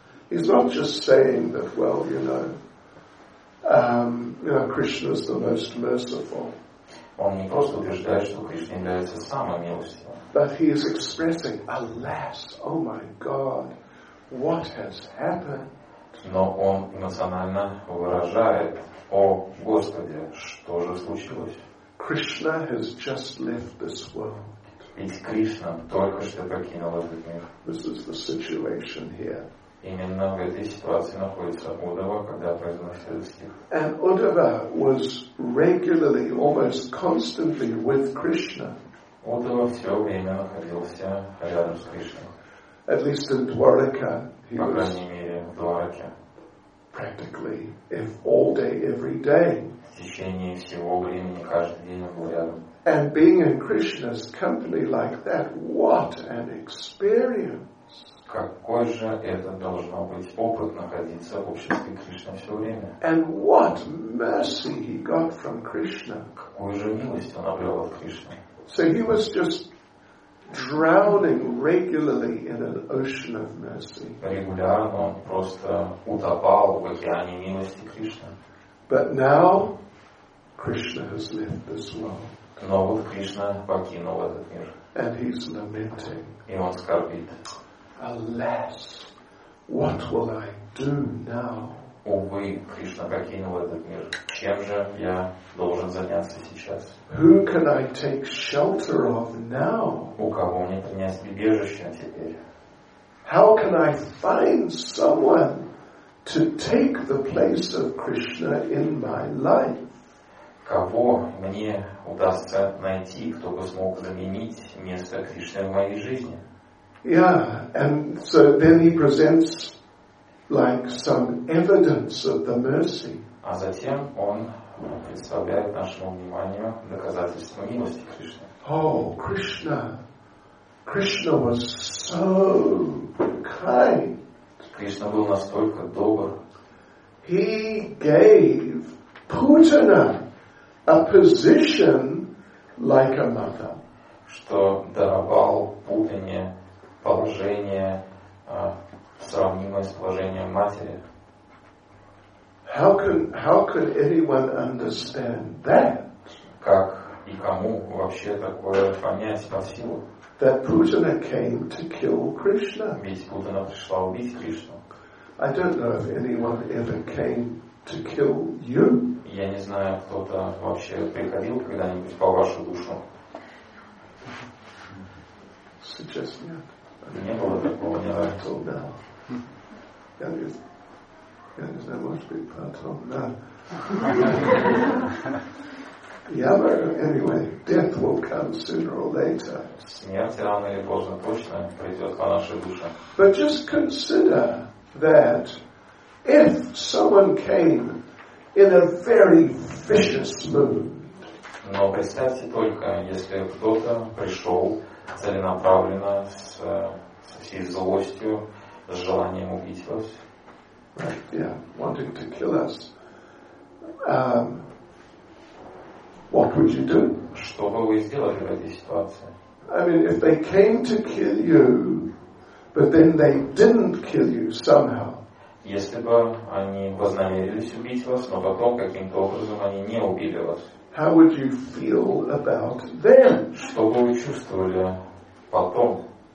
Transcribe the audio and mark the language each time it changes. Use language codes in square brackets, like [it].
[en] He's not just saying that, Krishna's the most merciful. [ru] Он не просто утверждает, что Кришна является самым милостивым. [en] But he is expressing, alas, oh my God, what has happened? [ru] Но он эмоционально выражает: «О, Господи, что же случилось?» [en] Krishna has just left this world. [ru] Ведь Кришна только что покинул этот мир. [en] This is the situation here. [ru] Именно в этой ситуации находится Удава, когда произносит стих. [en] And Udhava was regularly, almost constantly with Krishna. [ru] Удава все время находился рядом с Кришной. [en] At least in Dwarka, he was. [ru] По крайней мере, в Двараке. [en] Practically, if all day, every day. [ru] В течение всего времени каждый день он был рядом. [en] And being in Krishna's company like that, what an experience! [ru] Какой же это должно быть опыт находиться в обществе Кришны все время? [en] And what mercy he got from Krishna! [ru] Какую же милость он обрел от Кришны? [en] So he was just drowning regularly in an ocean of mercy. [ru] Регулярно он просто утопал в океане милости Кришны. [en] But now Krishna has left this world. [ru] Но вот Кришна покинул этот мир. [en] And he's lamenting. [ru] И он скорбит. [en] Alas, what will I do now? [ru] Увы, Кришна покинул этот мир. Чем же я должен заняться сейчас? [en] Who can I take shelter of now? [ru] У кого мне принять прибежище теперь? [en] How can I find someone to take the place of Krishna in my life? [ru] Кого мне удастся найти, кто бы смог заменить место Кришны в моей жизни? [en] Yeah, and so then he presents like some evidence of the mercy. [ru] А затем он представляет нашему вниманию доказательство милости Кришны. [en] Oh, Krishna! Krishna was so kind. [ru] Кришна был настолько добр. [en] He gave Putana a position like a mother, [ru] что даровал Путине положение, сравнимое с положением матери. [en] How could anyone understand that? [ru] Как и кому вообще такое понять по силу? [en] That Putana came to kill Krishna. [ru] Ведь Путана пришла убить Кришну. [en] I don't know if anyone ever came to kill you. [ru] Я не знаю, кто-то вообще приходил когда-нибудь по вашу душу. Сейчас нет. Не было такого ни разу. Да. Я не знаю, может быть, потом. Да. [en] Yeah, but anyway, death will come sooner or later. [ru] Смерть рано или поздно точно придет по нашей душе. [en] But just consider that if someone came in a very vicious mood. [ru] Но представьте только, если кто-то пришел целенаправленно со всей злостью, с желанием убить вас. [en] Right, yeah, wanting to kill us. What would you do? [ru] Что бы вы сделали в этой ситуации? [en] I mean, if they came to kill you, but then they didn't kill you somehow. [ru] Если бы они вознамерились убить вас, но потом каким-то образом они не убили вас. [en] How would you feel about them? [ru] Что бы вы чувствовали потом?